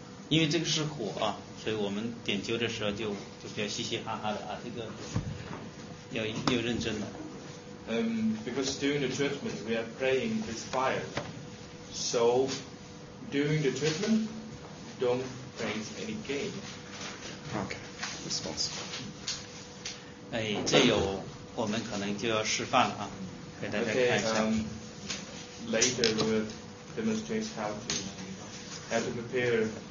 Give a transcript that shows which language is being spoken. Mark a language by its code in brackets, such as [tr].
[zh] 因为这个是火啊，所以我们点灸的时候就比较嘻嘻哈哈的啊，这个要认真的。 [en] Because during the treatment we are playing with fire, so during the treatment don't play any game. Okay, responsible. [zh] 哎，这有我们可能就要示范了啊，给大家看一下。 [en] Okay, later we will demonstrate how to prepare.